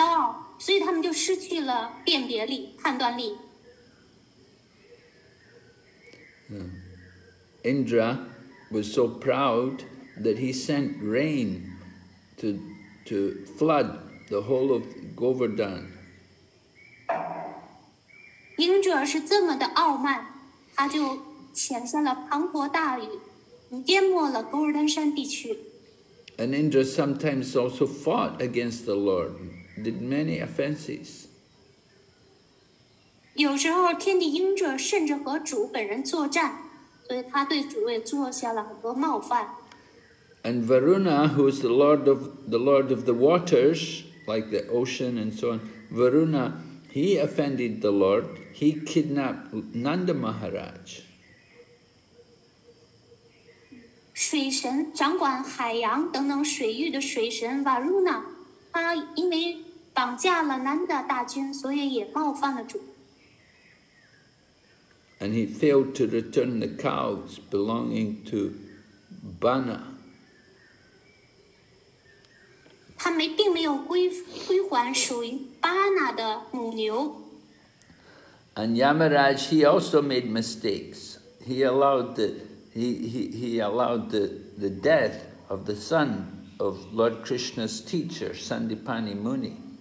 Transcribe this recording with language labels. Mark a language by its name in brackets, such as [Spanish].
[Chinese] 因为他们非常骄傲，所以他们就失去了辨别力、判断力。 [English] Indra was so proud that he sent rain to flood the whole of Govardhan. [Chinese] Indra 是这么的傲慢，他就潜下了滂沱大雨，淹没了 Govardhan 山地区。 [English] And Indra sometimes also fought against the Lord, did many offenses. [Chinese] 有时候，天帝Indra甚至和主本人作战。 所以他对主也做下了很多冒犯。 [English] And Varuna, who is the lord of the waters, like the ocean and so on, Varuna, he offended the Lord. He kidnapped Nanda Maharaj. [Chinese] 水神掌管海洋等等水域的水神 Varuna, 他因为绑架了南达大军，所以也冒犯了主。 [English] And he failed to return the cows belonging to Bana. [Chinese] 他并没有归还属于巴拿的母牛。 [English] And Yamaraj, he also made mistakes. He allowed the death of the son of Lord Krishna's teacher, Sandipani Muni.